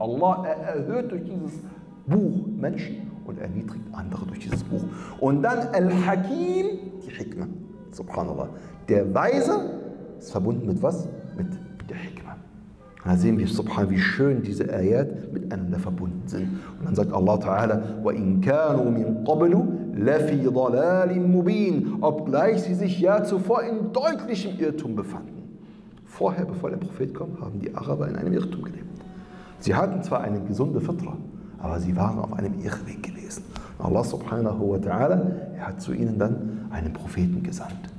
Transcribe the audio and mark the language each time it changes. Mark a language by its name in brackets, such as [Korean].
[German] Allah erhöht durch dieses Buch Menschen und erniedrigt andere durch dieses Buch. Und dann Al-Hakim, die Hikma, subhanallah, der Weise, ist verbunden mit was? Mit der Hikma. Da sehen wir, subhanallah, wie schön diese Ayat miteinander verbunden sind. Und dann sagt Allah Ta'ala, [Arabic] وَإِن كَانُوا مِن قَبْلُ لَفِي ضَلَالٍ مُبِينٍ. [German] Obgleich sie sich ja zuvor in deutlichem Irrtum befanden. Vorher, bevor der Prophet kommt, haben die Araber in einem Irrtum gelebt. Sie hatten zwar eine gesunde Fitra, aber sie waren auf einem Irrweg gewesen. Allah Subhanahu wa Ta'ala, er hat zu ihnen dann einen Propheten gesandt.